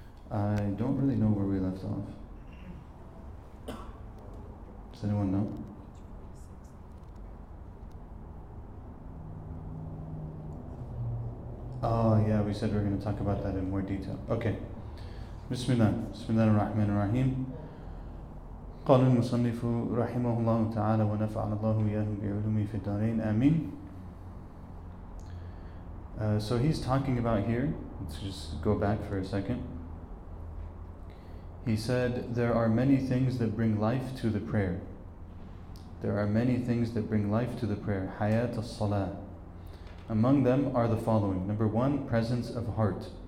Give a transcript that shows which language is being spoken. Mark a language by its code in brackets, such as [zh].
[en] I don't really know where we left off. Does anyone know? Oh, yeah, we said we were going to talk about that in more detail. Okay. Bismillah. Bismillah ar-Rahman ar-Rahim. [ar] قال المصنف رحمه الله تعالى ونفعنا الله وإياهم بعلومه في الدارين آمين. [en] So he's talking about here, let's just go back for a second. He said, there are many things that bring life to the prayer. There are many things that bring life to the prayer. [ar] حيات الصلاة. [en] Among them are the following. Number one, presence of heart.